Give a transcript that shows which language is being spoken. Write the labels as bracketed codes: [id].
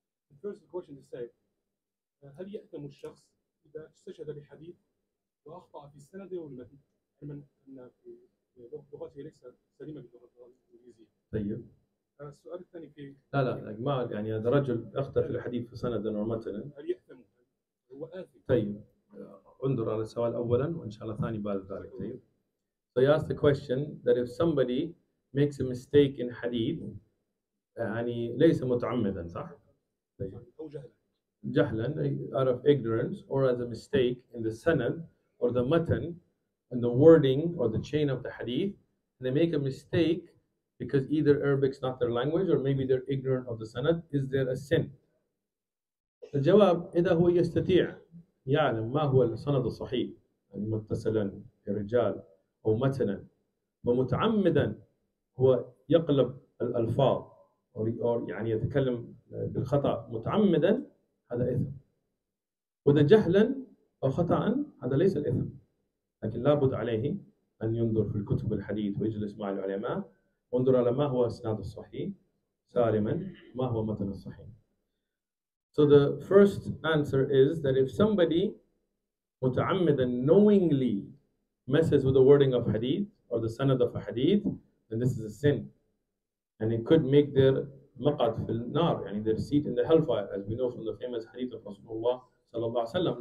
[en] The first question is say, [ar] هل يأتم الشخص إذا استشهد بحديث وأخطأ في السند والمتن علما أن لغته ليس سليمة باللغة الإنجليزية؟ طيب. السؤال الثاني في لا ما يعني هذا رجل أخطأ في الحديث في سند أو متن هل يأتم هو آثم؟ طيب. انظر على السؤال أولا وإن شاء الله ثاني بعد ذلك. طيب. [en] So he asked the question that if somebody makes a mistake in hadith, [ar] يعني ليس متعمدا صح؟ أو جهلا [en] out of ignorance or as a mistake in the sanad or the matan and the wording or the chain of the hadith, they make a mistake because either Arabic's not their language or maybe they're ignorant of the sanad, is there a sin? [ar] الجواب إذا هو يستطيع يعلم ما هو السند الصحيح يعني متصلا كرجال أو متنا ومتعمدا هو يقلب الألفاظ or يعني يتكلم بالخطأ متعمدا هذا إثم وإذا جهلا أو خطأ هذا ليس الإثم لكن لابد عليه أن ينظر في الكتب الحديث ويجلس مع العلماء وانظر على ما هو السند الصحيح سالما ما هو متن الصحيح. [en] So the first answer is that if somebody [ar] متعمدا [en] knowingly messes with the wording of hadith or the sanad of a hadith, then this is a sin. And it could make their [ar] maqad fil nar, yani [en] their seat in the hellfire, as we know from the famous hadith of Rasulullah sallallahu alaihi wasallam.